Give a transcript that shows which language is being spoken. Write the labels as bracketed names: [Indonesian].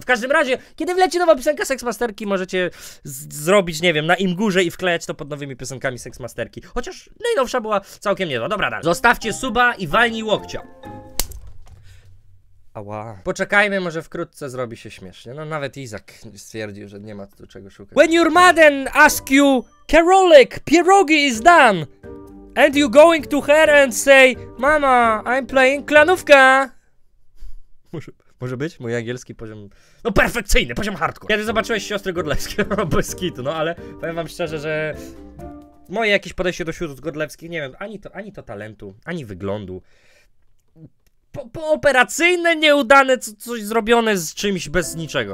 [Polish] W każdym razie, kiedy wleci nowa piosenka Seksmasterki, możecie zrobić, nie wiem, na Imgurze i wklejać to pod nowymi piosenkami Seksmasterki. Chociaż najnowsza była całkiem niezła. Dobra, dalej. Zostawcie suba i walnij łokcia. Ała. Poczekajmy, może wkrótce zrobi się śmiesznie. No nawet Izak stwierdził, że nie ma tu czego szukać. [English] When your mother ask you, Karolik, pierogi is done. And you going to her and say, mama, I'm playing klanówka. [Polish] Może być? Mój angielski poziom... No perfekcyjny, poziom hardcore. Kiedy zobaczyłeś siostry Godlewskie, no bez kitu, no ale powiem wam szczerze, że... Moje jakieś podejście do sióstr Godlewskich, nie wiem, ani to talentu, ani wyglądu. Pooperacyjne, nieudane, coś zrobione z czymś bez niczego.